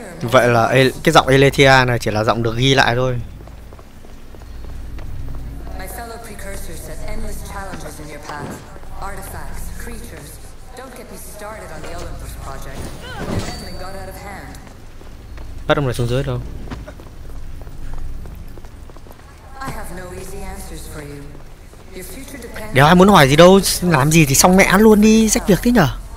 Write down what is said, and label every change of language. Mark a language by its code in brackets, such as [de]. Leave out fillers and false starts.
[vi] Vậy là cái giọng Aletheia này chỉ là giọng được ghi lại thôi. [en] My fellow precursors set endless challenges in your path. Artifacts, creatures. Don't get me started on the Olympus project. The meddling got out of hand. [vi] Bắt ông này xuống dưới đâu. [en] I have no easy answers for you. Your future depends. [vi] Đéo ai muốn hỏi gì đâu, làm gì thì xong mẹ luôn đi, rách việc thế nhở.